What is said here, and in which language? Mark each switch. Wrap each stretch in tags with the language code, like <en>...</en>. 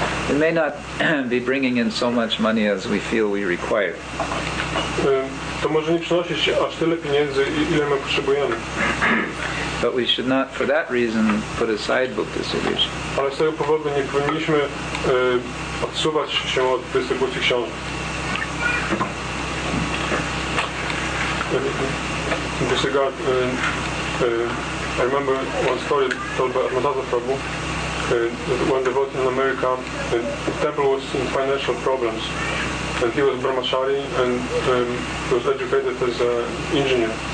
<en>It may not be bringing in so much money as we feel we require.</en> <pl>To może nie przynosić aż tyle pieniędzy, ile my potrzebujemy.</pl> <en>But we should not, for that reason, put aside book distribution.</en> <pl>Ale z tego powodu nie powinniśmy odsuwać się od dystrybucji książek.</pl> <en>I remember one story told by Amadatha Prabhu. One devotee in America, the temple was in financial problems. And he was Brahmachari and was educated as an engineer.</en>